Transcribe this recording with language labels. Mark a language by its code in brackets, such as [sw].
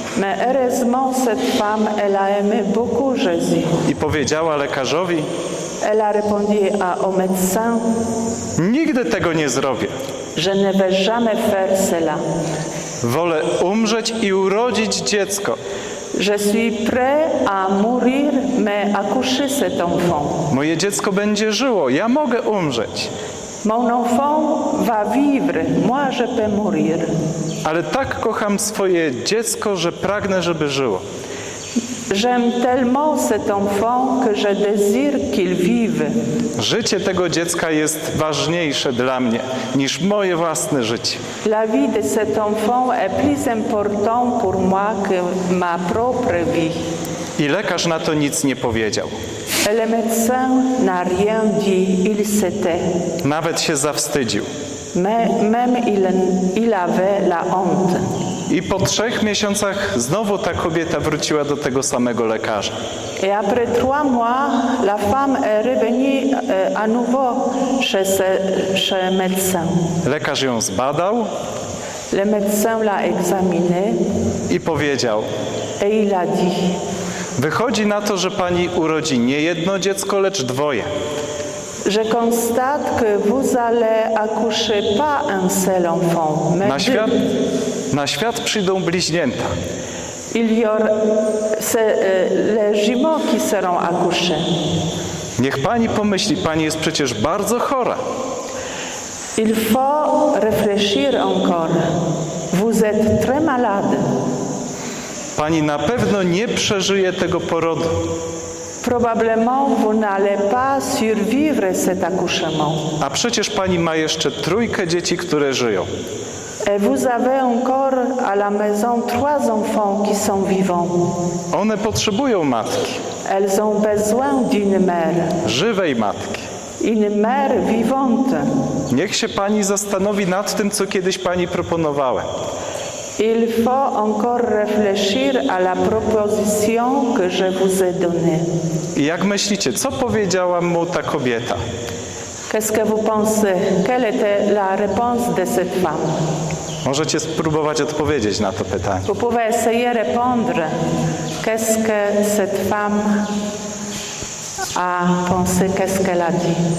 [fr] Mais heureusement, cette femme, elle a aimé beaucoup Jésus. [pl] I powiedziała lekarzowi. [fr] Elle a répondu à au médecin. [pl] Nigdy tego nie zrobię. [fr] Je ne vais jamais faire cela. [pl] Wolę umrzeć i urodzić dziecko. [fr] Je suis prêt à mourir, mais accoucher cet enfant. [pl] Moje dziecko będzie żyło, ja mogę umrzeć. [fr] Mon enfant va vivre, moi je peux mourir. [pl] Ale tak kocham swoje dziecko, że pragnę, żeby żyło. [fr] J'aime tellement cet enfant que je désire qu'il vive. [pl] Życie tego dziecka jest ważniejsze dla mnie niż moje własne życie. [fr] La vie de cet enfant est plus important pour moi que ma propre vie. [pl] I lekarz na to nic nie powiedział. [fr] Le médecin n'a rien dit, il s'était. [pl] Nawet się zawstydził. [fr] Même il avait la honte. [pl] I po 3 miesiącach znowu ta kobieta wróciła do tego samego lekarza. [fr] Et après 3 mois, la femme est revenue à nouveau chez médecin. [pl] Lekarz ją zbadał. [fr] Le médecin l'a examiné. [pl] I powiedział. [fr] Et il a dit. [pl] Wychodzi na to, że pani urodzi nie jedno dziecko, lecz dwoje. [fr] Je constate que vous allez accoucher pas un seul enfant, mais [pl] na świat, przyjdą bliźnięta. [fr] Il y aura les jumeaux qui seront accouchés. [pl] Niech pani pomyśli, pani jest przecież bardzo chora. [fr] Il faut réfléchir encore. Vous êtes très malade. [pl] Pani na pewno nie przeżyje tego porodu. [fr] Probablement vous n'allez pas survivre cet accouchement. [pl] A przecież pani ma jeszcze 3 dzieci, które żyją. [fr] Et vous avez encore à la maison 3 enfants qui sont vivants. [pl] One potrzebują matki. [fr] Elles ont besoin d'une mère. [pl] Żywej matki. [fr] Une mère vivante. [pl] Niech się pani zastanowi nad tym, co kiedyś pani proponowała. [fr] Il faut encore réfléchir à la proposition que je vous ai donnée. [pl] I jak myślicie, co powiedziała mu ta kobieta? [fr] Qu'est-ce que vous pensez? Quelle était la réponse de cette femme? [pl] Możecie spróbować odpowiedzieć na to pytanie. [fr] Vous pouvez essayer de répondre. Qu'est-ce que cette femme a pensé? Qu'est-ce qu'elle a dit?